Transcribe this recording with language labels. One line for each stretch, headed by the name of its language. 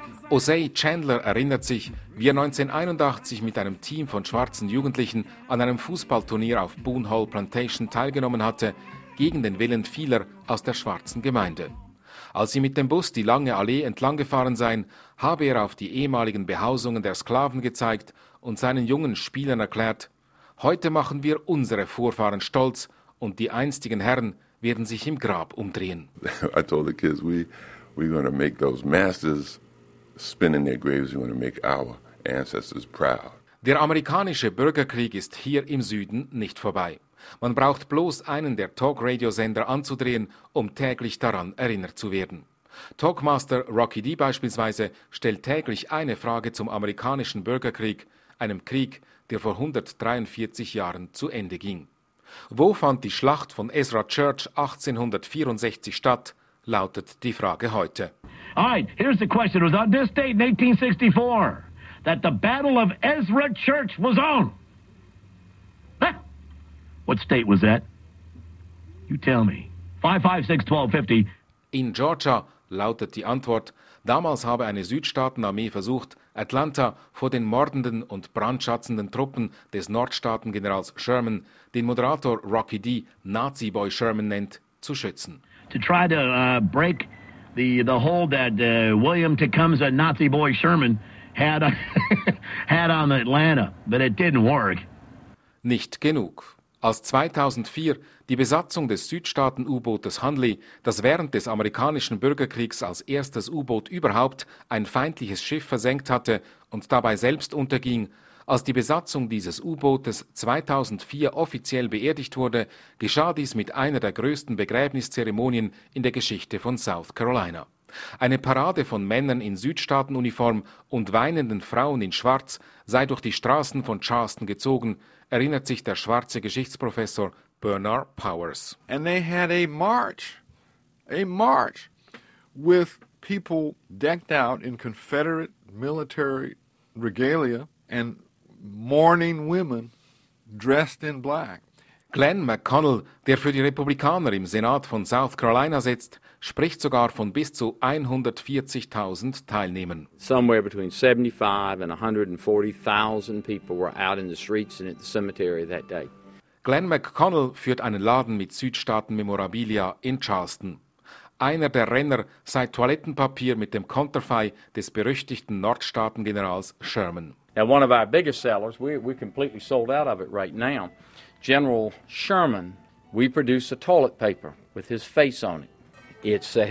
German: Osei Chandler erinnert sich, wie er 1981 mit einem Team von schwarzen Jugendlichen an einem Fußballturnier auf Boone Hall Plantation teilgenommen hatte, gegen den Willen vieler aus der schwarzen Gemeinde. Als sie mit dem Bus die lange Allee entlang gefahren seien, habe er auf die ehemaligen Behausungen der Sklaven gezeigt und seinen jungen Spielern erklärt, heute machen wir unsere Vorfahren stolz und die einstigen Herren werden sich im Grab umdrehen.
English: I told the kids, we're going to make those masters spin in their graves, we're going to make our ancestors proud.
German: Der amerikanische Bürgerkrieg ist hier im Süden nicht vorbei. Man braucht bloß einen der Talk-Radio-Sender anzudrehen, um täglich daran erinnert zu werden. Talkmaster Rocky D. beispielsweise stellt täglich eine Frage zum amerikanischen Bürgerkrieg, einem Krieg, der vor 143 Jahren zu Ende ging. Wo fand die Schlacht von Ezra Church 1864 statt, lautet die Frage heute.
English: All right, here's the question. It was on this date in 1864 that the Battle of Ezra Church was on. What state was that? You tell me. 556-1250.
German: In Georgia, lautet die Antwort, damals habe eine Südstaatenarmee versucht, Atlanta vor den mordenden und brandschatzenden Truppen des Nordstaatengenerals Sherman, den Moderator Rocky D., Nazi Boy Sherman nennt, zu schützen.
English: To try to break the hold that William Tecumseh, Nazi Boy Sherman, had on Atlanta. But it didn't work.
German: Nicht genug. Als 2004 die Besatzung des Südstaaten-U-Bootes Hunley, das während des amerikanischen Bürgerkriegs als erstes U-Boot überhaupt ein feindliches Schiff versenkt hatte und dabei selbst unterging, Als die Besatzung dieses U-Bootes 2004 offiziell beerdigt wurde, geschah dies mit einer der größten Begräbniszeremonien in der Geschichte von South Carolina. Eine Parade von Männern in Südstaatenuniform und weinenden Frauen in Schwarz sei durch die Straßen von Charleston gezogen, erinnert sich der schwarze Geschichtsprofessor Bernard Powers.
English: And they had a march with people decked out in Confederate military regalia and mourning women dressed in black.
German: Glenn McConnell, der für die Republikaner im Senat von South Carolina sitzt, spricht sogar von bis zu 140.000 Teilnehmern.
English: Somewhere between 75 and 140.000 people were out in the streets and at the cemetery that day.
German: Glenn McConnell führt einen Laden mit Südstaaten-Memorabilia in Charleston. Einer der Renner sei Toilettenpapier mit dem Konterfei des berüchtigten Nordstaaten-Generals Sherman.
English: Now one of our biggest sellers, we completely sold out of it right now. General Sherman, we produce a toilet paper with his face on it.